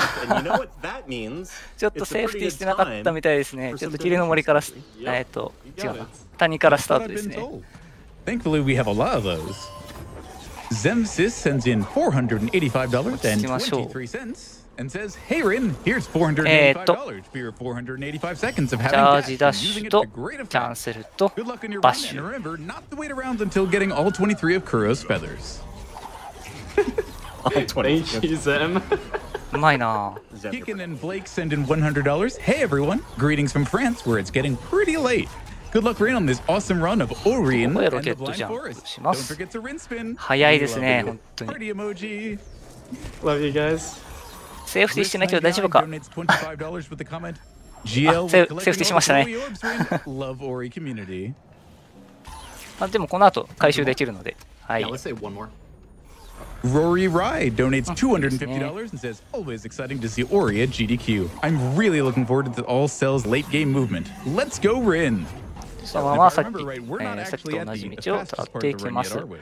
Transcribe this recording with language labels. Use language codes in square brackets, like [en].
[ja] ちょっとセーフティーしてなかったみたいですね。ちょっと霧の森から、違うな。谷からスタートですね。 [en] Thankfully, we have a lot of those. Zemsis sends in $485.23 and says, "Hey, Rin, here's $485 for your 485 seconds of having dash and using it to great effect. Good luck on your run, and remember not to wait around until getting all 23 of Kuro's feathers." HZM. [ja] うまいな。 [en] Kicken and Blake send in $100. Hey, everyone, greetings from France, where it's getting pretty late. Good luck, Rin, on this awesome run of Orion and the Blind Forest. Don't forget to rin spin. [ja] 早いですね、本当に。 [en] Party emoji. Love you guys. [ja] セーフティーしてないけど大丈夫か。 [en] $25 with the comment. GL, [ja] セーフティーしましたね。 [en] Love Ori community. [ja] まあでもこの後回収できるので、はい。 [en] Rory Rye donates $250 and says, "Always exciting to see Ori at GDQ. I'm really looking forward to the All Cells late game movement. Let's go, Rin." [ja] そのまま さっきと同じ道を通っていきます。